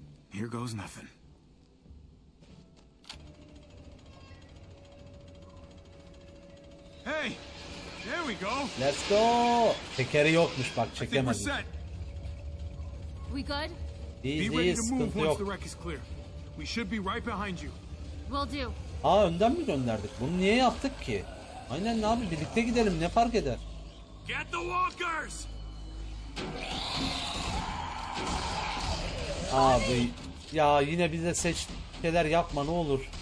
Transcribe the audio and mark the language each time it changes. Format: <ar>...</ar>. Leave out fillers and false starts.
<en>Here goes nothing. Hey, there we go. Let's go.</en> <tr>Tekeri yokmuş bak çekemedim.</tr> <en>We good? Be ready to move once the wreck is clear. We should be right behind you. Will do.</en> <tr>Aa önden mi gönderdik? Bunu niye yaptık ki? Aynen ne abi birlikte gidelim ne fark eder?</tr> <en>Get the walkers.</en> <tr>Abi ya yine bize seç şeyler yapma ne olur.</tr>